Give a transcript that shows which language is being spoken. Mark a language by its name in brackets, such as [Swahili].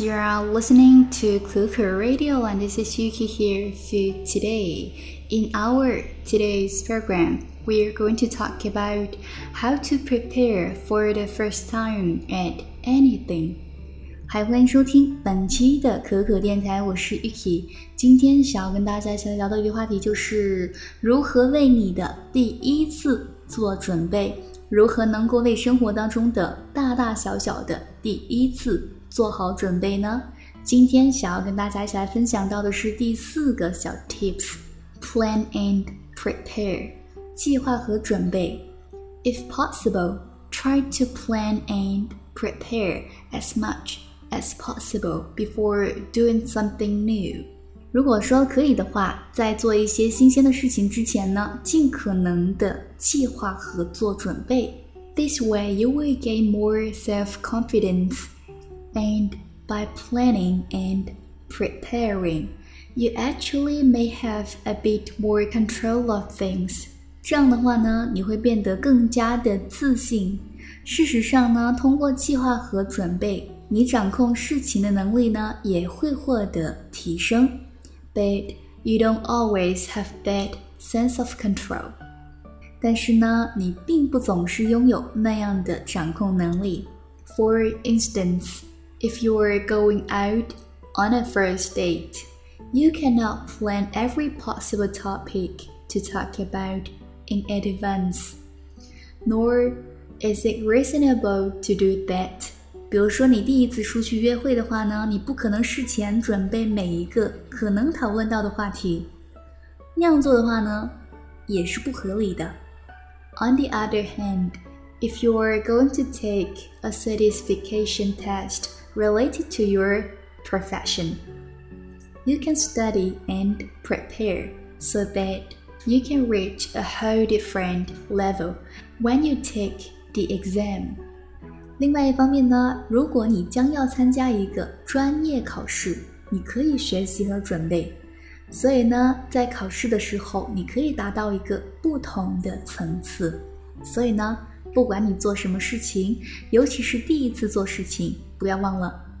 [English] You are listening to Cuckoo Radio, and this is Yuki here for today. In today's program, we are going to talk about how to prepare for the first time at anything. [Chinese] 欢迎收听本期的可可电台，我是 Yuki。今天想要跟大家一起来聊的一个话题就是如何为你的第一次做准备。如何能够为生活当中的大大小小的第一次做好准备呢？今天想要跟大家一起来分享到的是第四个小 tips， plan and prepare，计划和准备。 [English] If possible, try to plan and prepare as much as possible before doing something new。 [Chinese] 如果说可以的话，在做一些新鲜的事情之前呢，尽可能的计划和做准备。 [English] This way you will gain more self-confidence, and by planning and preparing, you actually may have a bit more control of things. [Chinese] 这样的话呢，你会变得更加的自信。事实上呢，通过计划和准备，你掌控事情的能力呢，也会获得提升。 [English] But you don't always have that sense of control. [Chinese] 但是呢，你并不总是拥有那样的掌控能力。 [English] For instance, if you are going out on a first date, you cannot plan every possible topic to talk about in advance. Nor is it reasonable to do that. [Chinese] 比如说你第一次出去约会的话呢，你不可能事前准备每一个可能讨论到的话题，那样做的话呢也是不合理的。 [English] On the other hand, if you are going to take a certification test related to your profession, you can study and prepare so that you can reach a whole different level when you take the exam. [Chinese] 另外一方面呢，如果你将要参加一个专业考试，你可以学习和准备。所以呢，在考试的时候，你可以达到一个不同的层次。所以呢，不管你做什么事情，尤其是第一次做事情，不要忘了